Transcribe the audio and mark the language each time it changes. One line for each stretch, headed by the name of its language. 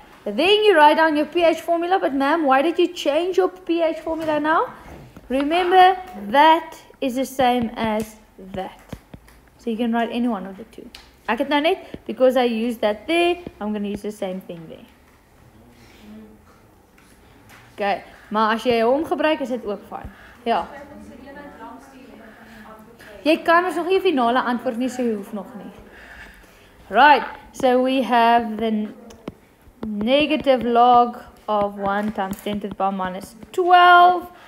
English: Then you write down your pH formula, but ma'am, why did you change your pH formula now? Remember, that is the same as that. So you can write any one of the two. I can know it because I used that there, I'm going to use the same thing there.
Afrikaans: Okay, maar as jy hom gebruik, is dit ook fyn. Ja. Jy kan ons nog nie 'n finale antwoord nie, so jy hoef nog nie.
English: Right, so we have the negative log of 1 times 10 to the power minus 12.